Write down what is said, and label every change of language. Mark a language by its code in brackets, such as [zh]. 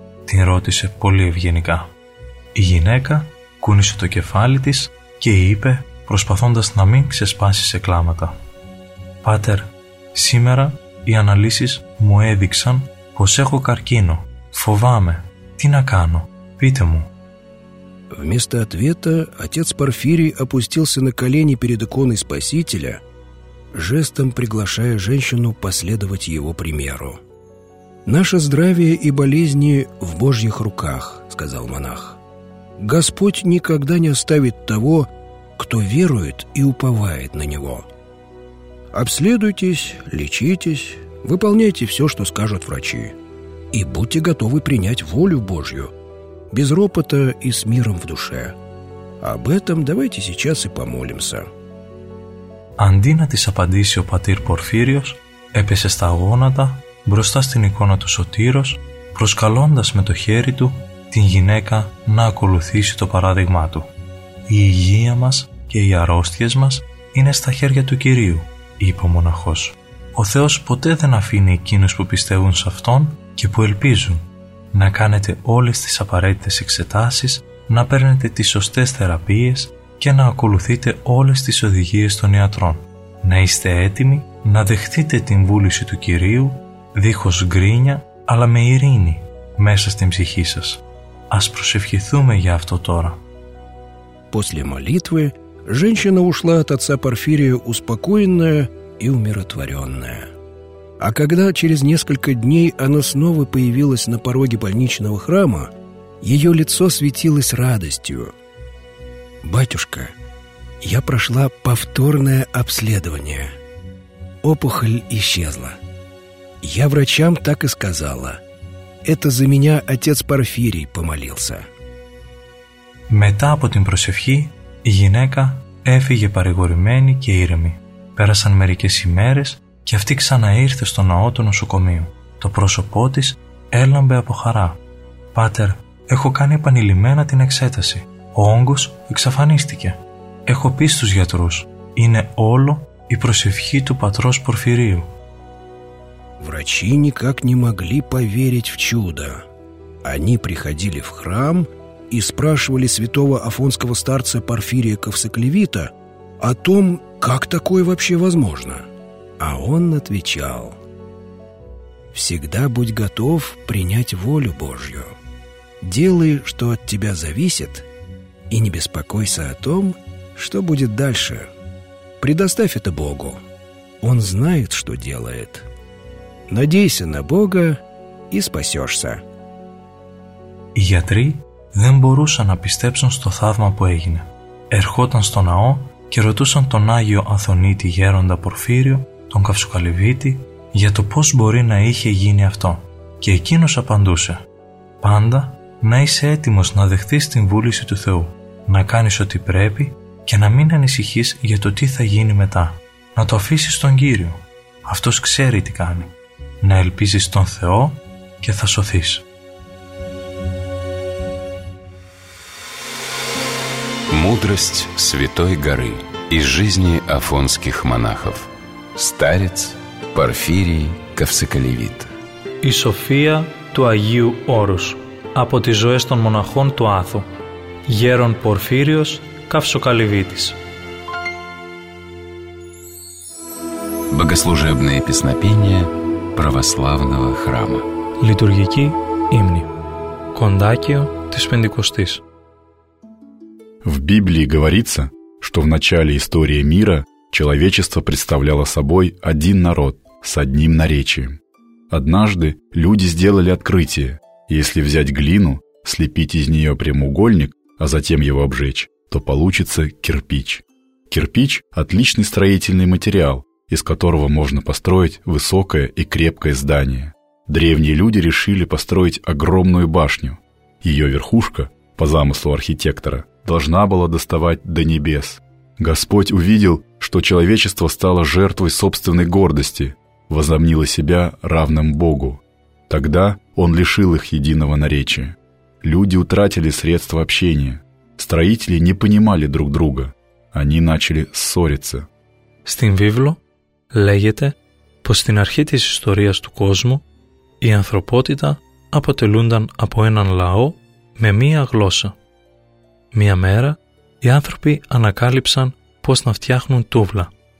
[el] την ρώτησε πολύ ευγενικά. Η γυναίκα κούνησε το κεφάλι της και είπε, προσπαθώντας να μην ξεσπάσει σε κλάματα: «Πάτερ, σήμερα οι αναλύσεις μου έδειξαν πως έχω καρκίνο. Φοβάμαι. Τι να κάνω? Πείτε μου». [ru] Вместо ответа отец Порфирий опустился на колени перед иконой Спасителя, жестом приглашая женщину последовать его примеру. «Наше здравие и болезни в Божьих руках», — сказал монах. «Господь никогда не оставит того, кто верует и уповает на Него. Обследуйтесь, лечитесь, выполняйте все, что скажут врачи, и будьте готовы принять волю Божью, без ропота и с миром в душе. Об этом давайте сейчас и помолимся». [el] Αντί να της απαντήσει, ο πατήρ Πορφύριος έπεσε στα γόνατα μπροστά στην εικόνα του Σωτήρος, προσκαλώντας με το χέρι του την γυναίκα να ακολουθήσει το παράδειγμά του. «Η υγεία μας και οι αρρώστιες μας είναι στα χέρια του Κυρίου», είπε ο μοναχός. «Ο Θεός ποτέ δεν αφήνει εκείνους που πιστεύουν σε Αυτόν και που ελπίζουν. Να κάνετε όλες τις απαραίτητες εξετάσεις, να παίρνετε τις σωστές θεραπείες και να ακολουθείτε όλες τις οδηγίες των ιατρών. Να είστε έτοιμοι να δεχτείτε την βούληση του Κυρίου, δίχως γκρίνια, αλλά με ειρήνη μέσα στην ψυχή σας. Ας προσευχηθούμε για αυτό τώρα». [ru] После молитвы женщина ушла от отца Порфирия успокоенная и умиротворенная. А когда через несколько дней она снова появилась на пороге больничного храма, ее лицо светилось радостью. «Батюшка, я прошла повторное обследование. Опухоль исчезла. Я врачам так и сказала. Это за меня отец Порфирий помолился». [el] Μετά από την προσευχή, η γυναίκα έφυγε παρηγορημένη και ήρεμη. Πέρασαν μερικές ημέρες και αυτή ξαναήρθε στο ναό του νοσοκομείου. Το πρόσωπό της έλαμπε από χαρά. «Πάτερ, έχω κάνει επανειλημμένα την εξέταση. Ο όγκος εξαφανίστηκε. Έχω πει στους γιατρούς. Είναι όλο η προσευχή του πατρός Πορφυρίου». [ru] Врачи никак не могли поверить в чудо. Они приходили в храм и спрашивали святого афонского старца Порфирия Ковсоклевита о том, как такое вообще возможно. А он отвечал: «Всегда будь готов принять волю Божью. Делай, что от тебя зависит, и не беспокойся о том, что будет дальше. Предоставь это Богу. Он знает, что делает. Надейся на Бога и спасешься». [el] И ятри δεν μπορούσαν να πιστέψουν στο θαύμα που έγινε. Ερχόταν στο ναό και ρωτούσαν τον Άγιο Αθωνίτη Γέροντα Πορφύριο, τον Καυσοκαλυβίτη, για το πώς μπορεί να είχε γίνει αυτό. Και εκείνος απαντούσε: «Πάντα να είσαι έτοιμος να δεχτείς την βούληση του Θεού, να κάνεις ό,τι πρέπει και να μην ανησυχείς για το τι θα γίνει μετά. Να το αφήσεις στον Κύριο. Αυτός ξέρει τι κάνει. Να ελπίζεις τον Θεό και θα σωθείς». [ru] Мудрость Святой Горы из жизни афонских монахов. Старец Порфирий Ковсоклевит. [el] И София του Αγίου Όρους από τις ζωές των μοναχών του Άθου. Γέρον Πορφύριος Ковсоклевитης. [ru] Богослужебные песнопения православного храма. [el] Λειτουργική ύμνη. Κοντάκιο της Πεντηκοστής. [ru] В Библии говорится, что в начале истории мира человечество представляло собой один народ с одним наречием. Однажды люди сделали открытие: если взять глину, слепить из нее прямоугольник, а затем его обжечь, то получится кирпич. Кирпич – отличный строительный материал, из которого можно построить высокое и крепкое здание. Древние люди решили построить огромную башню. ее верхушка, по замыслу архитектора, должна была доставать до небес. Господь увидел, что человечество стало жертвой собственной гордости, возомнило себя равным Богу. Тогда Он лишил их единого наречия. Люди утратили средства общения. Строители не понимали друг друга. Они начали ссориться. [el] Στην βίβλο λέγεται πως στην αρχή της ιστορίας του κόσμου η ανθρωπότητα αποτελούνταν από έναν λαό με μία γλώσσα. Μία μέρα οι άνθρωποι ανακάλυψαν πως να φτιάχνουν τούβλα.